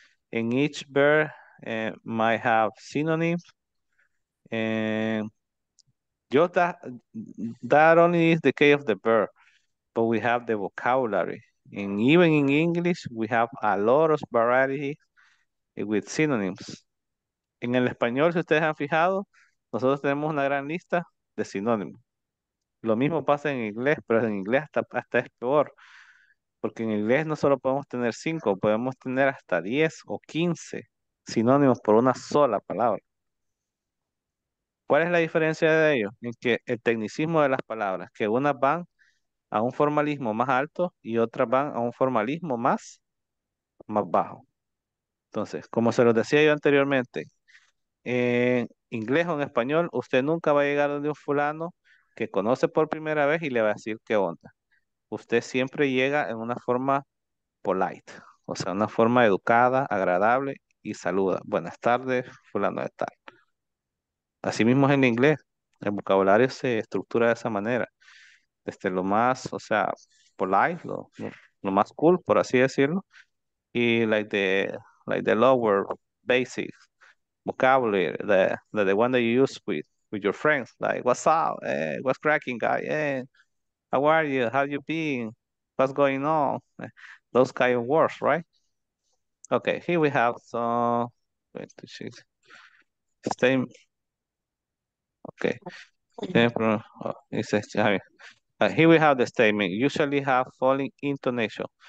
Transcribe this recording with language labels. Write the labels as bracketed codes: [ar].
[en] And each bird might have synonyms. And just that only is the case of the bird, but we have the vocabulary. And even in English, we have a lot of variety with synonyms. [es] En el español, si ustedes han fijado, nosotros tenemos una gran lista de sinónimo. Lo mismo pasa en inglés, pero en inglés hasta es peor, porque en inglés no solo podemos tener 5, podemos tener hasta 10 o 15 sinónimos por una sola palabra. ¿Cuál es la diferencia de ello? En que el tecnicismo de las palabras, que unas van a un formalismo más alto y otras van a un formalismo más bajo. Entonces, como se los decía yo anteriormente, inglés o en español, usted nunca va a llegar donde un fulano que conoce por primera vez y le va a decir qué onda. Usted siempre llega en una forma polite, o sea, una forma educada, agradable y saluda. Buenas tardes, fulano de tal. Así mismo es en inglés. El vocabulario se estructura de esa manera. Desde lo más, o sea, polite, lo más cool, por así decirlo. [en] Y like the lower basics. Vocabulary, the one that you use with your friends, like, what's up, hey, what's cracking, guy, hey, how are you, how you been, what's going on, those kind of words, right? Okay, here we have some, here we have the statement, usually have falling intonation.